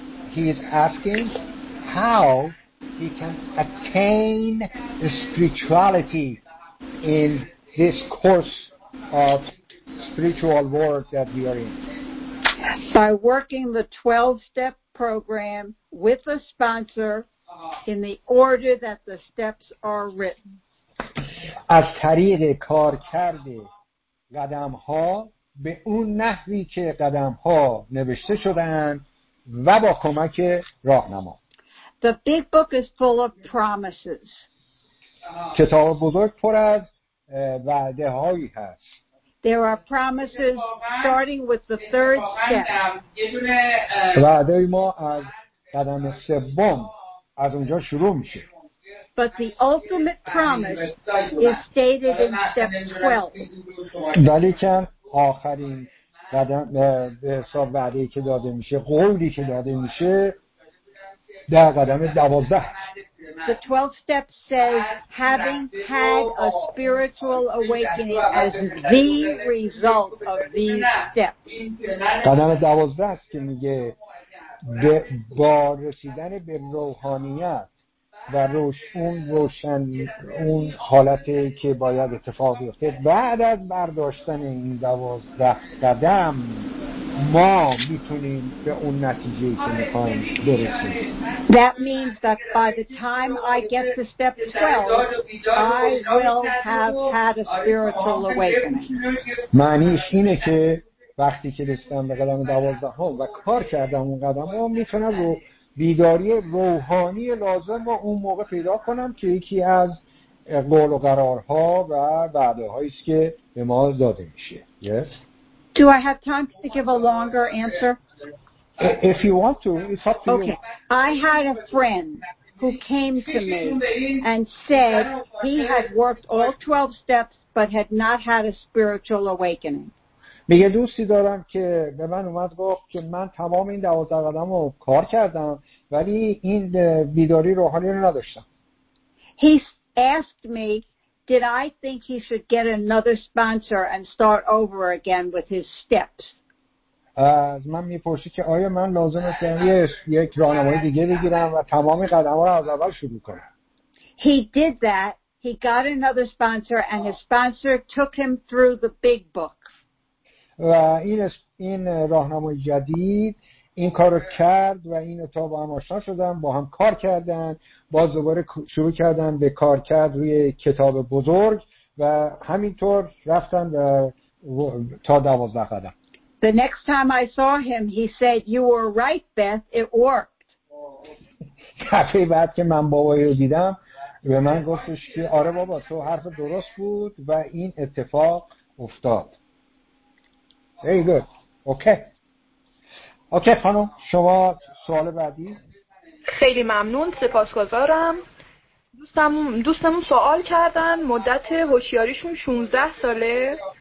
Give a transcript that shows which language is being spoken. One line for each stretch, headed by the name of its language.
English: He is asking how he can attain spirituality in this course of spiritual work that we are in. By working the 12-step program with a sponsor in the order that the steps are written.
Persian: از طریق کار کرده قدم ها به اون نحوی که قدم ها نوشته شدن و با کمک راهنما.
English: The big book is full of promises.
Persian: کتاب بزرگ پر از وعده هایی هست.
English: There are promises starting with the third step.
Persian: وعده ما از قدم سوم از اونجا شروع میشه.
English: But the ultimate promise is stated in step 12.
Persian: ولی که آخرین قدم به حساب وعده‌ای که داده میشه، قولی که داده میشه در قدم 12.
English: The 12th step says, having had a spiritual awakening as the result of these steps.
Persian: قدم 12 است که میگه با رسیدن به روحانیت و اون حالتی که باید اتفاق بیفته بعد از برداشتن این 12 قدم ما میتونیم به اون نتیجه‌ای که میخوایم برسیم.
English: That means that by the time I get to step 12, I will have had a spiritual awakening.
Persian: معنیش اینه که وقتی که رسیدم به قدم 12 هم و کار کردم اون قدم هم میتونم رو بیداری روحانی لازم و اون موقع پیدا کنم که یکی از قول و قرارها و وعده هاییست که به ما داده میشه.
English: Yes. Do I have time to give a longer answer? If you want to, it's up to you. I had a friend who came to me and said he had worked all 12 steps but had not had a spiritual awakening.
Persian: میگه دوستی دارم که به من اومد گفت که من تمام این 12 قدم رو کار کردم ولی این بیداری روحانی رو نداشتم.
English: He asked me, did I think he should get another sponsor and start over again with his steps?
Persian: از من میپرسی که آیا من لازم است یک راهنمای دیگه بگیرم و تمام قدم‌ها رو از اول شروع کنم.
English: He did that. He got another sponsor and his sponsor took him through the big book.
Persian: و این راهنمای جدید این کار رو کرد و این اتا با هم آشنا شدن، با هم کار کردن، باز دوباره شروع کردن به کار کرد روی کتاب بزرگ و همینطور رفتن و تا 12 قدم.
English: The next time I saw him, he said, you were right, Beth, it worked.
Persian: دفعه بعد که من بابایی رو دیدم به من گفتش که آره بابا تو حرف درست بود و این اتفاق افتاد.
English: Very good. Okay. Okay
Persian: خانم، شما سوال بعدی. خیلی ممنون، سپاسگزارم. دوستمون سوال کردن مدت هوشیاریشون 16 ساله.